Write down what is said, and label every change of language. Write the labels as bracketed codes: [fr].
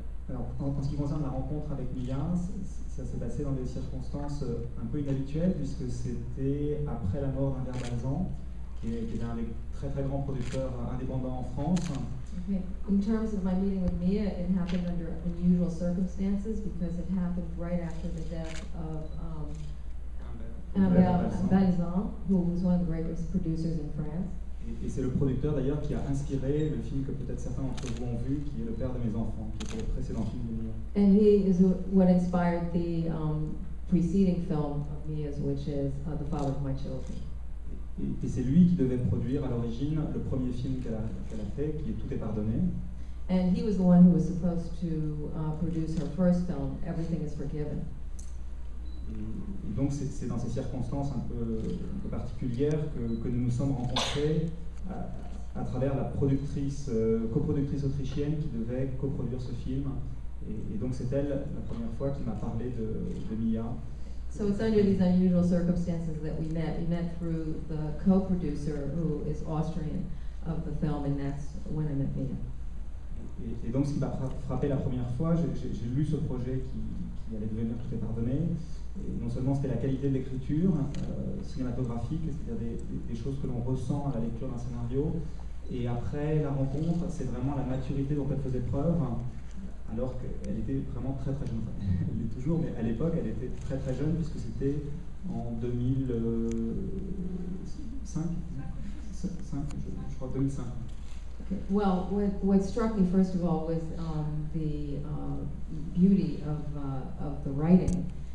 [fr] Alors, en ce qui concerne la rencontre avec Mia, ça s'est passé dans des circonstances un peu inhabituelles, puisque c'était après la mort d'Albert Balzan, qui était un des très très grands producteurs indépendants en France. [en] Okay. In terms of my meeting with Mia, it happened under unusual circumstances because it happened right after the death of Balzan, who was one of the greatest producers in France. [fr] Et c'est le producteur d'ailleurs qui a inspiré le film que peut-être certains d'entre vous ont vu, qui est Le Père de mes enfants, qui était le précédent film de Mia. [en] And he is what inspired the preceding film of Mia's, which is The Father of My Children. [fr] Et c'est lui qui devait produire à l'origine le premier film qu'elle a fait, qui est Tout est pardonné. [en] And he was the one who was supposed to produce her first film, Everything is Forgiven. [fr] Et donc c'est dans ces circonstances un peu particulières que nous nous sommes rencontrés à travers la productrice, coproductrice autrichienne qui devait coproduire ce film. Et donc c'est elle la première fois qui m'a parlé de Mia. [en] So it's under these unusual circumstances that we met. We met through the co-producer who is Austrian of the film, and that's when I met Mia. [fr] Et donc ce qui m'a frappé la première fois, j'ai lu ce projet qui allait devenir Tout est pardonné. Et non seulement c'était la qualité de l'écriture cinématographique, c'est-à-dire des choses que l'on ressent à la lecture d'un scénario, et après la rencontre, c'est vraiment la maturité dont elle faisait preuve, alors qu'elle était vraiment très très jeune. Enfin, elle l'est toujours, mais à l'époque, elle était très très jeune, puisque c'était en 2005. [en] Okay. Well, what struck me first of all was the beauty of the writing.